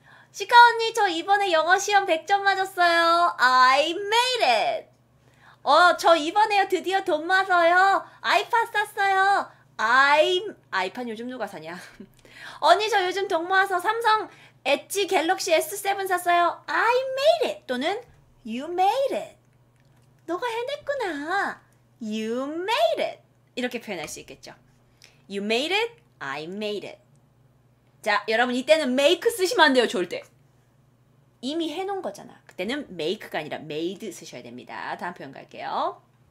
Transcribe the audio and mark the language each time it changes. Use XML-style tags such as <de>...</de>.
<ko>시카 언니, 저 이번에 영어 시험 100점 맞았어요.</ko> <en>I made it! 어, 저 이번에요.</en> <ko>드디어 돈 맞아요. 아이팟 샀어요. 아이팟 요즘 누가 사냐? 언니, 저 요즘 돈 모아서 삼성 엣지 갤럭시 S7 샀어요.</ko> <en>I made it! 또는 You made it! 너가 해냈구나. You made it!</en> <ko>이렇게 표현할 수 있겠죠.</ko> <en>You made it, I made it.</en> <ko>자, 여러분 이때는 make 쓰시면 안 돼요, 절대. 이미 해놓은 거잖아. 그때는 make가 아니라 made 쓰셔야 됩니다. 다음 표현 갈게요.</ko>